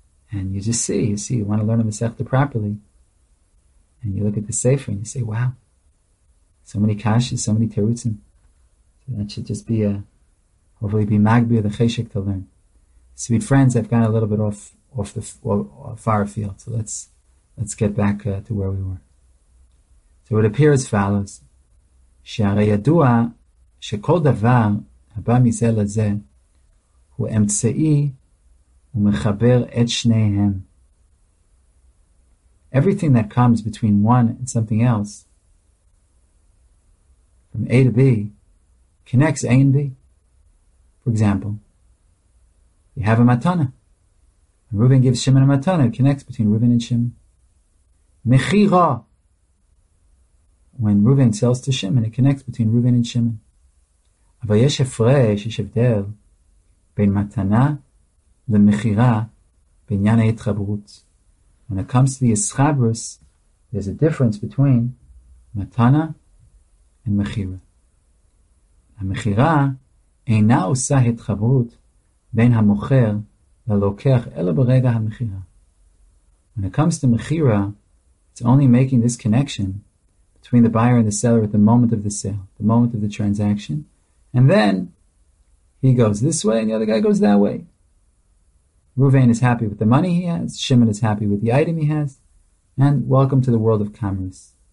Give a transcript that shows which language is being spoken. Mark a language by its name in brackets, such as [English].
[English] And you want to learn a Masechta properly. And you look at the Sefer and you say, wow, so many kashas, so many terutzim. So that should just be magbir the cheshek to learn. Sweet friends, I've gone a little bit off far afield. So let's get back to where we were. So it appears as follows. [Hebrew] Sheare Yadua, שכל דבר הבא מזה לזה הוא אמצעי ומחבר את שניהם. [English] Everything that comes between one and something else, from A to B, connects A and B. For example, you have a matana. And Reuben gives Shimon a matana, it connects between Reuben and Shimon. Mechira. When Reuben sells to Shimon, it connects between Reuben and Shimon. [Hebrew] אבל יש הפרש, יש הבדל בין מתנה למחירה בעניין ההתחברות. [English] When it comes to the ischabrus, there's a difference between מתנה and מחירה. [Hebrew] המחירה אינה עושה התחברות בין המוכר ללוקח, אלא ברגע המחירה. [English] When it comes to מחירה, it's only making this connection between the buyer and the seller at the moment of the sale, the moment of the transaction, and then He goes this way and the other guy goes that way. Reuven is happy with the money he has. Shimon is happy with the item he has. And welcome to the world of commerce.